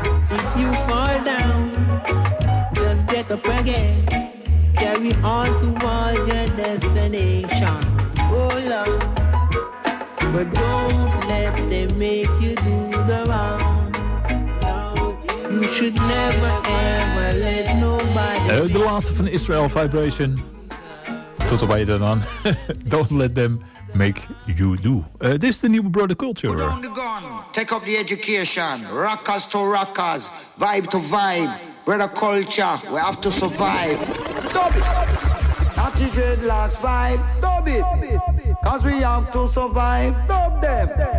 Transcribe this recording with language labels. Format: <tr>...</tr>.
<en>If you fall down, just get up again. Carry on towards your destination. Oh Lord. But don't let them make you do the wrong. You should never ever let nobody.</en> <nl>De laatste van Israel Vibration. Tot op heden dan.</nl> <en>Don't let them make you do.</en> <nl>Dit is de nieuwe Brother Culture.</nl> <en>Put down the gun, take up the education. Rockers to rockers, vibe to vibe. Brother Culture, we have to survive. Dub it! Natty dreadlocks vibe, dub it! Cause we have to survive, dub them!</en>